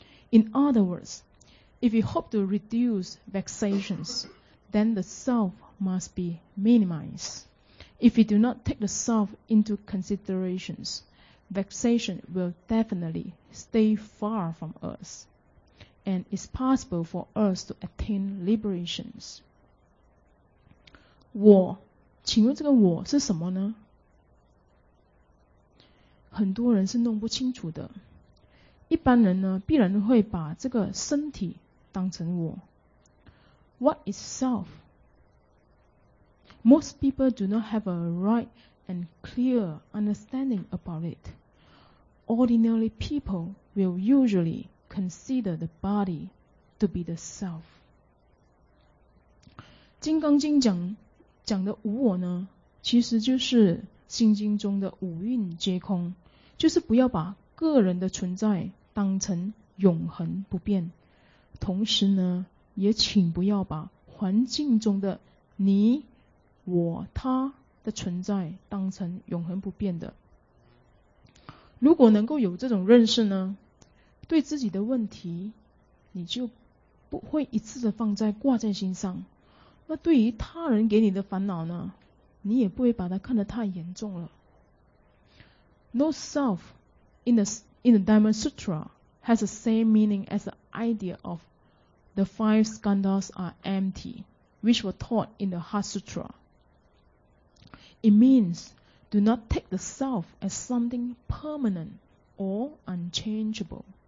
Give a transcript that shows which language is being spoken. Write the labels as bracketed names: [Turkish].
[English] In other words, if you hope to reduce vexations, then the self must be minimized. If you do not take the self into consideration, vexation will definitely stay far from us, and it's possible for us to attain liberation. [Chinese] 我，请问这个我是什么呢？很多人是弄不清楚的。一般人呢，必然会把这个身体当成我。 [English] What is self? Most people do not have a right and clear understanding about it. Ordinary people will usually consider the body to be the self. [Chinese] 金刚经讲的无我呢，其实就是心经中的五蕴皆空，就是不要把个人的存在当成永恒不变，同时呢，也请不要把环境中的你、我、他的存在当成永恒不变的。如果能够有这种认识呢，对自己的问题，你就不会一次的放在挂在心上。那对于他人给你的烦恼呢，你也不会把它看得太严重了。 [English] No self in the Diamond Sutra has the same meaning as the idea of the five skandhas are empty, which were taught in the Heart Sutra. It means do not take the self as something permanent or unchangeable.